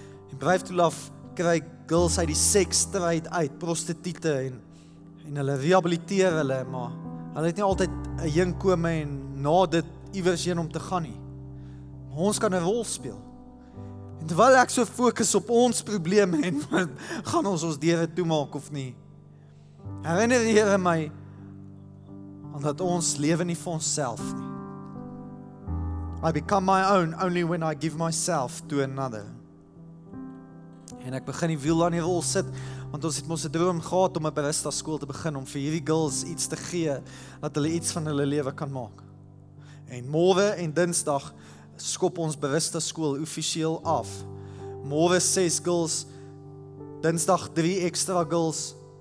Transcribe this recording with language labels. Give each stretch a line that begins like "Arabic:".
Afrikaans: En Brave to Love kry girls uit die seksstryd uit, prostituie, en hulle rehabiliteer hulle, maar hulle het nie altyd 'n inkome en na dit iewers heen om te gaan nie. Maar ons kan 'n rol speel. En terwyl ek so fokus op ons probleme en gaan ons deure toemaak of nie, herinner die Here my aan dat ons lewe nie vir onsself nie.
English: I become my own only when I give myself to another.
Afrikaans: En ek begin die wiel aan die rol sit, want ons het mos 'n droom gehad om 'n barista skool te begin, om vir hierdie girls iets te gee, dat hulle iets van hulle lewe kan maak. En môre en dinsdag skop ons barista skool officieel af. Môre 6 girls, dinsdag 3 extra girls.